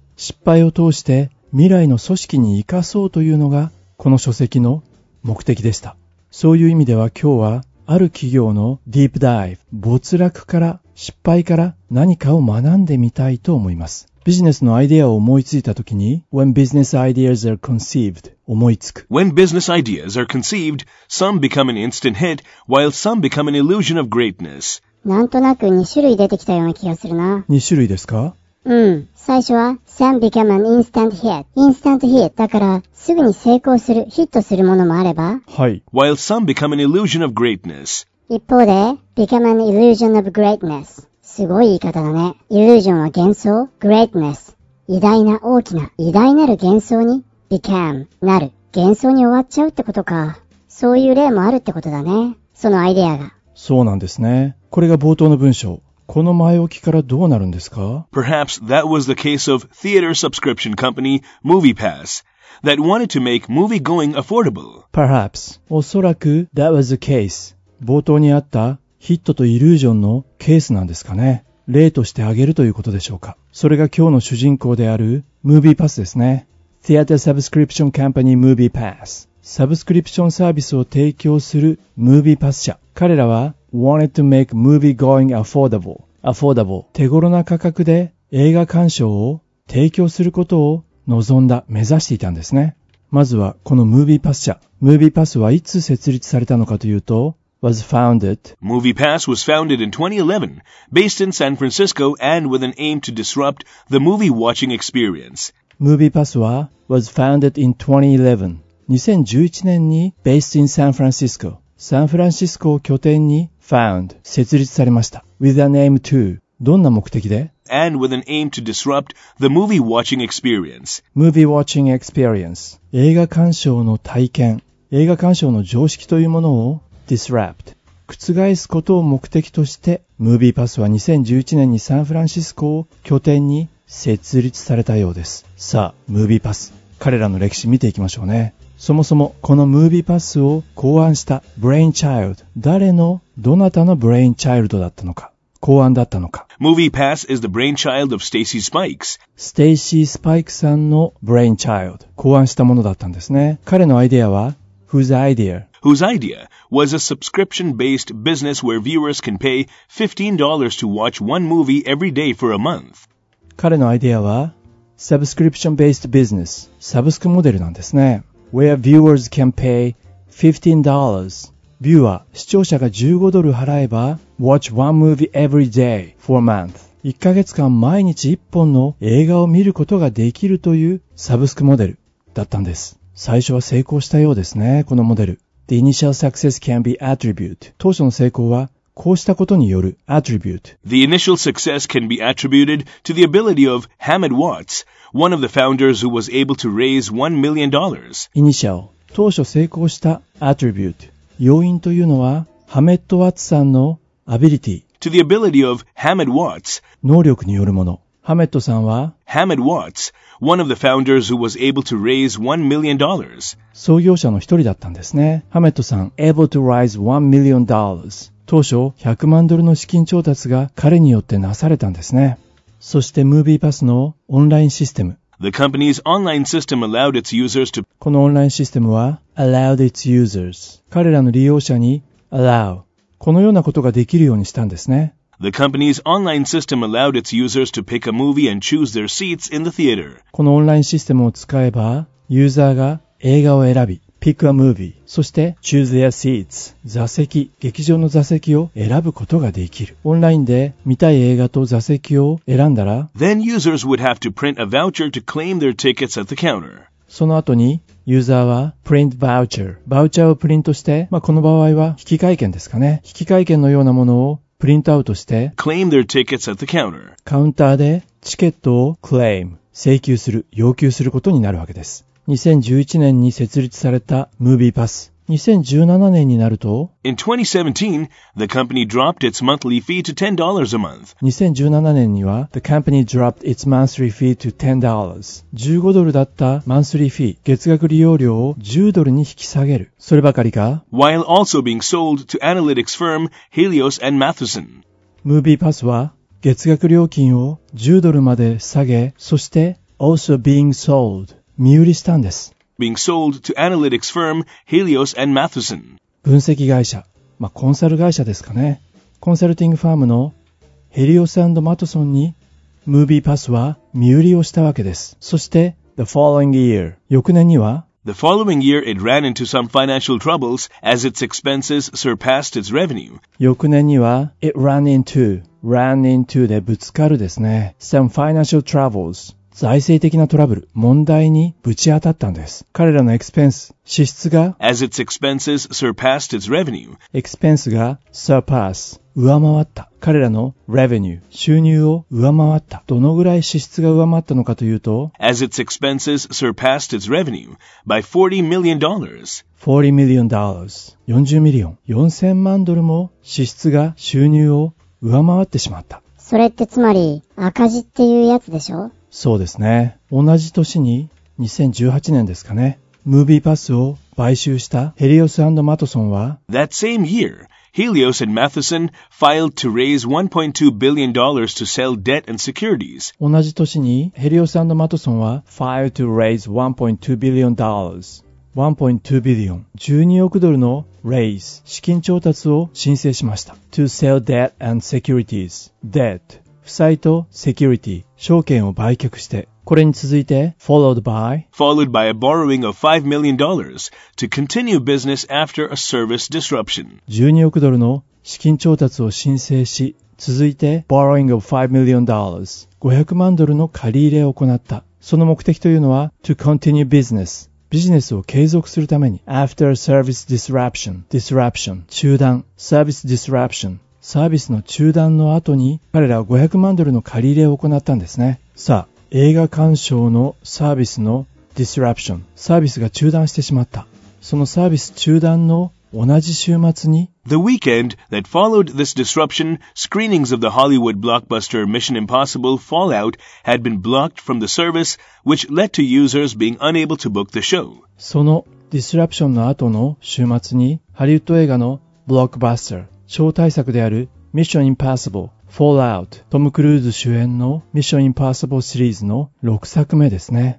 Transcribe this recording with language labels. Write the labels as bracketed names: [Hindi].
[Japanese] 失敗を通して、未来の組織に生かそうというのが、この書籍の目的でした。そういう意味では今日は、ある企業のディープダイブ、没落から失敗から何かを学んでみたいと思います。ビジネスのアイデアを思いついたときに、 [English] When business ideas are conceived、 [Japanese] 思いつく。 [English] When business ideas are conceived, some become an instant hit, while some become an illusion of greatness. [Japanese] なんとなく2種類出てきたような気がするな。 2種類ですか？最初は、 [English] some become an instant hit. Instant hit. [Japanese] だから、すぐに成功する、ヒットするものもあれば。はい。 [English] While some become an illusion of greatness. [Japanese] 一方で、 [English] become an illusion of greatness. [Japanese] すごい言い方だね。 illusion は幻想、greatness。偉大な大きな、偉大なる幻想に、become、なる。幻想に終わっちゃうってことか。そういう例もあるってことだね。そのアイデアが。そうなんですね。これが冒頭の文章。この前置きからどうなるんですか? [English] Perhaps that was the case of theater subscription company MoviePass that wanted to make movie going affordable. Perhaps. [Japanese] おそらく [English] that was the case. [Japanese] 冒頭にあったヒットとイリュージョンのケースなんですかね。例として挙げるということでしょうか。それが今日の主人公である MoviePass ですね。 [English] Theater subscription company MoviePass。 [Japanese] サブスクリプションサービスを提供する MoviePass 社。彼らは [English] Wanted to make movie going affordable. Affordable. [Japanese] 手頃な価格で映画鑑賞を提供することを望んだ、目指していたんですね。まずはこのムービーパス社。ムービーパスはいつ設立されたのかというと、 [English] was founded. MoviePass was founded in 2011, based in San Francisco and with an aim to disrupt the movie watching experience. MoviePass は was founded in 2011。 [Japanese] 2011年に [English] based in San Francisco。 [Japanese] サンフランシスコを拠点に found 設立されました。 [English] With an aim to [Japanese] どんな目的で？ [English] And with an aim to disrupt the movie watching experience. Movie watching experience. [Japanese] 映画鑑賞の体験。映画鑑賞の常識というものを disrupt 覆すことを目的として MoviePass は2011年にサンフランシスコを拠点に設立されたようです。さあ MoviePass 彼らの歴史見ていきましょうね。そもそもこの MoviePass を考案した Brainchild 誰のどなたの Brainchild だったのか考案だったのか。 [English] MoviePass is the brainchild of Stacy Spikes. [Japanese] Stacy Spikes さんの Brainchild 考案したものだったんですね。彼のアイデアは [English] Whose idea was a subscription-based business where viewers can pay $15 to watch one movie every day for a month. [Japanese] 彼のアイデアは subscription-based business サブスクモデルなんですね。 [English] Where viewers can pay $15 [Japanese] ビューアー視聴者が15ドル払えば [English] watch one movie every day for a month [Japanese] 1ヶ月間毎日1本の映画を見ることができるというサブスクモデルだったんです。最初は成功したようですね、このモデル。 [English] The initial success can be attribute. [Japanese] 当初の成功は、こうしたことによる attribute. [English] The initial success can be attributed to the ability of Hamid Watts, one of the founders who was able to raise $1 million. Initial. [Japanese] 当初成功した attribute. 要因というのは、ハメット・ワッツさんの ability. [English] To the ability of Hamid Watts. [Japanese] 能力によるもの。ハメットさんは [English] Hamid Watts, one of the founders who was able to raise $1 million. [Japanese] 創業者の一人だったんですね。ハメットさん [English] able to raise $1 million. [Japanese] 当初100万ドルの資金調達が彼によってなされたんですね。そして MoviePass のオンラインシステム。 [English] The company's online system allowed its users to [Japanese] このオンラインシステムは [English] allowed its users [Japanese] 彼らの利用者に allow このようなことができるようにしたんですね。 [English] The company's online system allowed its users to pick a movie and choose their seats in the theater. [Japanese] このオンラインシステムを使えば、ユーザーが映画を選び、 [English] pick a movie、 [Japanese] そして [English] choose their seats、 [Japanese] 座席、劇場の座席を選ぶことができる。オンラインで見たい映画と座席を選んだら、 [English] then users would have to print a voucher to claim their tickets at the counter. [Japanese] その後に、ユーザーは [English] print voucher、 [Japanese] バウチャーをプリントして、まあ、この場合は引き換え券ですかね。引き換え券のようなものをプリントアウトして [English] claim their tickets at the counter. [Japanese] カウンターでチケットを claim 請求する要求することになるわけです。 2011年に設立された MoviePass 2017年になると [English] In 2017, the company dropped its monthly fee to $10 a month. [Japanese] 2017年には [English] The company dropped its monthly fee to $10. [Japanese] 15ドルだった monthly fee 月額利用料を10ドルに引き下げる。そればかりか [English] While also being sold to analytics firm Helios and Matheson. [Japanese] MoviePass は月額料金を10ドルまで下げ、そして [English] also being sold [Japanese] 見売りしたんです。 [English] Being sold to analytics firm Helios and Matheson. [Japanese] 分析会社、まあ、コンサル会社ですかね。コンサルティングファームのヘリオス&マトソンに MoviePass は見売りをしたわけです。そして [English] The following year [Japanese] 翌年には [English] The following year it ran into some financial troubles as its expenses surpassed its revenue. [Japanese] 翌年には [English] It ran into [Japanese] でぶつかるですね。 [English] Some financial troubles [Japanese] 財政的なトラブル、問題にぶち当たったんです。彼らのエクスペンス、支出が [English] As its expenses surpassed its revenue. [Japanese] エクスペンスが surpass 上回った。彼らの revenue 収入を上回った。どのぐらい支出が上回ったのかというと [English] As its expenses surpassed its revenue by $40 million. $40 million. 40 million. [Japanese] 4000万ドルも支出が収入を上回ってしまった。それってつまり赤字っていうやつでしょ？そうですね。同じ年に2018年ですかね。ムービーパスを買収したヘリオス&マトソンは [English] That same year, Helios and Matheson filed to raise $1.2 billion to sell debt and securities. [Japanese] 同じ年にヘリオス&マトソンは [English] filed to raise $1.2 billion. $1.2 billion. [Japanese] 12億ドルの raise 資金調達を申請しました。 [English] To sell debt and securities. Debt. [Japanese] 負債とセキュリティ、証券を売却して、これに続いて、 [English] followed by a borrowing of $5 million to continue business after a service disruption. [Japanese] 12億ドルの資金調達を申請し、続いて、 [English] borrowing of $5 million、 [Japanese] 500万ドルの借り入れを行った。その目的というのは [English] to continue business、 [Japanese] ビジネスを継続するために、 [English] after service disruption、 [Japanese] disruption、 中断、 service disruption、 サービスの中断の後に彼らは500万ドルの借り入れを行ったんですね。さあ、映画鑑賞のサービスの disruption、 サービスが中断してしまった。そのサービス中断の同じ週末に、 [English] The weekend that followed this disruption, screenings of the Hollywood blockbuster Mission Impossible Fallout had been blocked from the service, which led to users being unable to book the show. [Japanese] そのディスラプションの後の週末に、ハリウッド映画のブロックバスター超大作である Mission Impossible Fallout、 トム・クルーズ主演の Mission Impossible シリーズの6作目ですね。